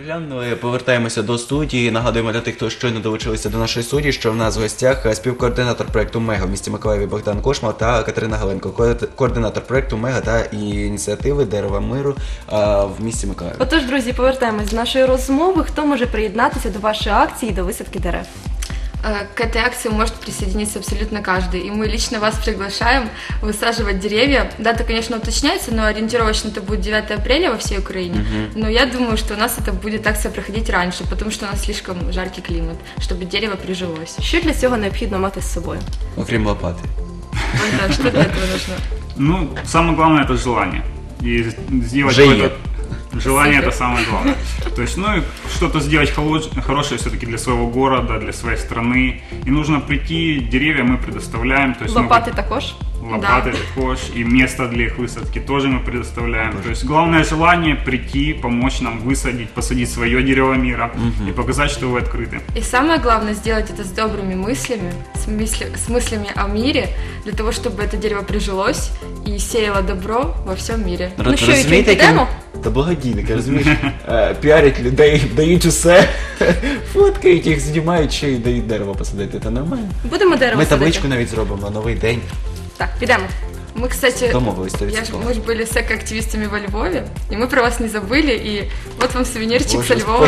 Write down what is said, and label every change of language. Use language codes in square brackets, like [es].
[uk] Ми повертаємося до студії. Нагадуємо для тих, хто щойно долучилися до нашої студії, що в нас в гостях співкоординатор проєкту «Мега» в місті Миколаєві Богдан Кошмал та Катерина Галенко. Координатор проєкту «Мега» та ініціативи «Дерева миру» в місті Миколаєві. Отож, друзі, повертаємось до нашої розмови. Хто може приєднатися до вашої акції і до висадки дерев? [ru] К этой акции может присоединиться абсолютно каждый. И мы лично вас приглашаем высаживать деревья. Дата, конечно, уточняется, но ориентировочно это будет 9 апреля во всей Украине. Но я думаю, что у нас это будет акция проходить раньше, потому что у нас слишком жаркий климат, чтобы дерево прижилось. [uk] Что для цього необхідно мати з собою? Окрім лопати. [ru] Что для этого нужно? Ну, самое главное – это желание. И сделать желание – это самое главное. То есть, ну, и что-то сделать хорошее все-таки для своего города, для своей страны. И нужно прийти, деревья мы предоставляем. То есть, лопаты також? Лопаты також, и место для их высадки тоже мы предоставляем. То есть, главное желание – прийти, помочь нам высадить, посадить свое дерево мира и показать, что вы открыты. И самое главное – сделать это с добрыми мыслями, с мыслями о мире, для того, чтобы это дерево прижилось и сеяло добро во всем мире. Ну что, идем к демо? [uk] Та благодійник, розумієш, піарять людей, дають усе, фоткають їх, знімають ще й дають дерево посадити, це нормально. Будемо дерево садити. Ми табличку навіть зробимо, новий день. Так, підемо. Ми, кстати, ми ж були екоактивістами во Львові, і ми про вас не забули, і от вам сувенірчик со Львова для сьогодні.